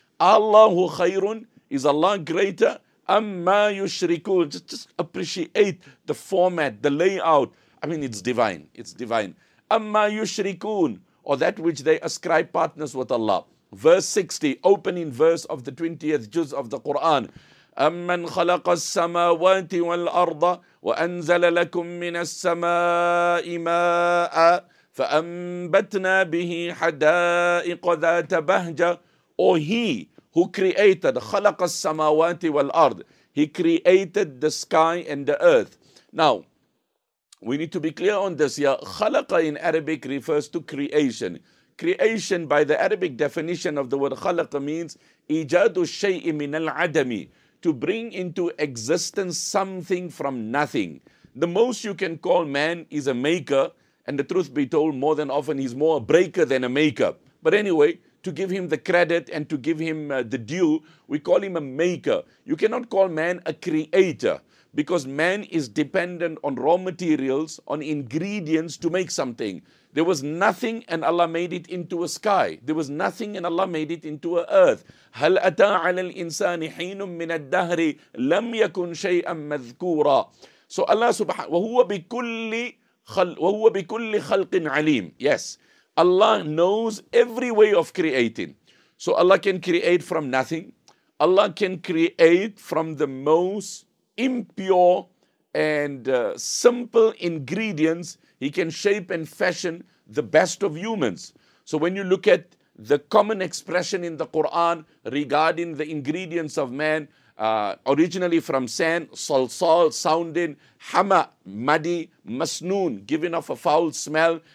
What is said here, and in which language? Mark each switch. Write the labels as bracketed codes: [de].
[ar] Allahu khayrun, [en] is Allah greater? [ar] Amma yushrikun. [en] Just appreciate the format, the layout. I mean, it's divine. It's divine. [ar] Amma yushrikun, [en] or that which they ascribe partners with Allah. Verse 60, opening verse of the 20th juz of the Quran. [ar] أَمَّنْ خَلَقَ السَّمَاوَاتِ وَالْأَرْضَ وَأَنْزَلَ لَكُمْ مِنَ السَّمَاءِ مَاءً فَأَنْبَتْنَا بِهِ حَدَائِقَ ذَاتَ بَهْجَةٍ [en] Or he who created, [ar] خَلَقَ السَّمَاوَاتِ وَالْأَرْضِ [en] He created the sky and the earth. Now, we need to be clear on this here. خَلَقَ in Arabic refers to creation. Creation by the Arabic definition of the word خَلَقَ means [ar] إِجَادُ الشَّيْءِ مِنَ الْعَدَمِ [en] To bring into existence something from nothing. The most you can call man is a maker, and the truth be told, more than often he's more a breaker than a maker. But anyway, to give him the credit and to give him the due, we call him a maker. You cannot call man a creator, because man is dependent on raw materials, on ingredients to make something. There was nothing and Allah made it into a sky. There was nothing and Allah made it into an earth. [ar] هَلْ أَتَى عَلَى الْإِنسَانِ حِينٌ مِّنَ الدَّهْرِ لَمْ يَكُنْ شَيْئًا مَذْكُورًا So Allah subhanahu wa ta'ala, وَهُوَ بِكُلِّ خَلْقٍ عَلِيمٍ [en] Yes, Allah knows every way of creating. So Allah can create from nothing. Allah can create from the most impure and simple ingredients. He can shape and fashion the best of humans. So when you look at the common expression in the Quran regarding the ingredients of man, originally from sand, salsal, sounding, hama, muddy, masnoon, giving off a foul smell.